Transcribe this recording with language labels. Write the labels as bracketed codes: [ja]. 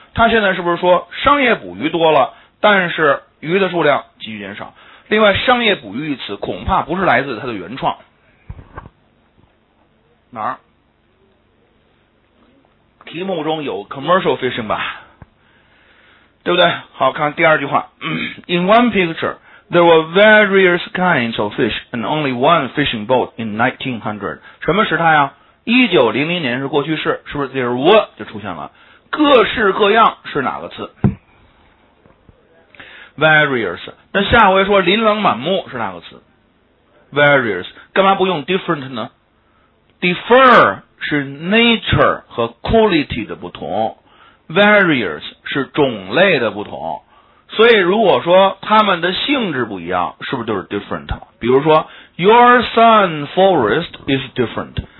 [zh] 他现在是不是说商业捕鱼多了，但是鱼的数量急剧减少？另外，商业捕鱼一词恐怕不是来自它的原创。哪儿？题目中有 commercial fishing 吧，对不对？好，看第二句话。 [en] In one picture, there were various kinds of fish and only one fishing boat in 1900. [zh] 什么时态啊？ 1900年是过去式，是不是 [en] there were [zh] 就出现了？各式各样是哪个词？ [en] Various。 [zh] 那下回说琳琅满目是哪个词？Various。干嘛不用 different 呢？Differ 是 nature 和 quality 的不同，Various 是种类的不同，所以如果说它们的性质不一样，是不是就是 different 了？比如说 [en] Your son forest is different.